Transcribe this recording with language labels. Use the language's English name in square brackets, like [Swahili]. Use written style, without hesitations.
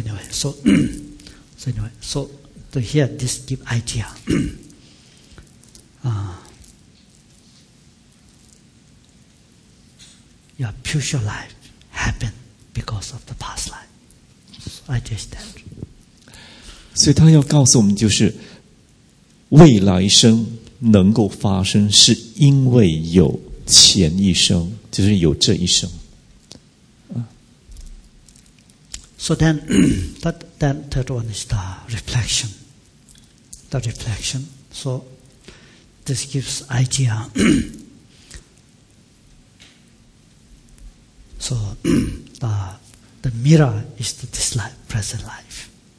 [English] So anyway, to hear this deep idea, your future life happened because of the past life. So I just that. [Chinese] 所以他要告诉我们，就是未来生能够发生，是因为有前一生，就是有这一生。 [English] So then, then third one is the reflection. The reflection. So this gives idea. So the mirror is this life, present life.